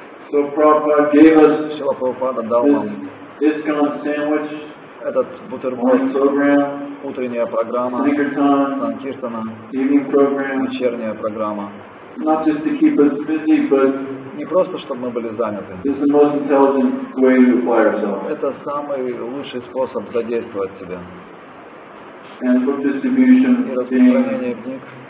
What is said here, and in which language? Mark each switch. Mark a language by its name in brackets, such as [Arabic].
[Russian] Шрила Прабхупада дал нам этот бутерброд, утренняя программа санкиртана, вечерняя программа. [English] Not just to keep us busy, but [Russian] не просто, чтобы мы были заняты. [English] This is the most intelligent way to apply ourselves. [Russian] Это самый лучший способ задействовать себя. [English] And book distribution [Russian] и распространение книг